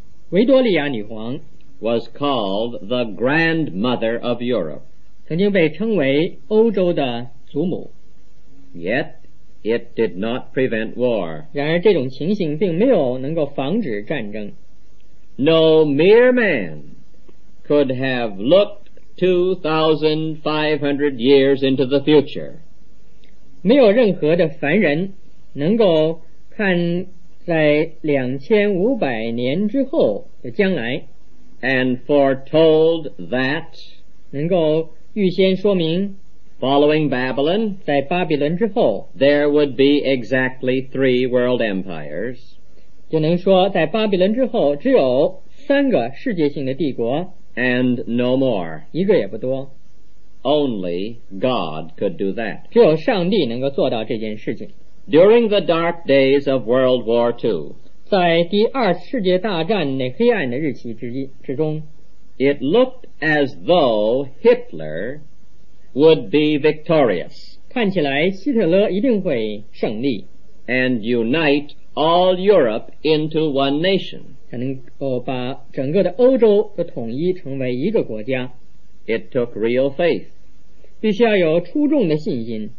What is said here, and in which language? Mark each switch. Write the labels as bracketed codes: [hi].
[zh] 维多利亚女皇 [en] was called the grandmother of Europe. [zh] 曾经被称为欧洲的祖母。 [en] Yet, it did not prevent war. [zh] 然而这种情形并没有能够防止战争。 [en] No mere man could have looked 2,500 years into the future. [zh] 没有任何的凡人能够看在2500年之后的将来 [en] and foretold that [zh] 能够预先说明 [en] following Babylon [zh] 在巴比伦之后 [en] there would be exactly three world empires [zh] 就能说在巴比伦之后只有三个世界性的帝国 [en] and no more [zh] 一个也不多 [en] only God could do that [zh] 只有上帝能够做到这件事情。 [en] During the dark days of World War II, [zh] 在第二次世界大战那黑暗的日期之中 [en] it looked as though Hitler would be victorious, [zh] 看起来希特勒一定会胜利 [en] and unite all Europe into one nation, [zh] 才能够把整个的欧洲都统一成为一个国家 [en] it took real faith, [zh] 必须要有出众的信心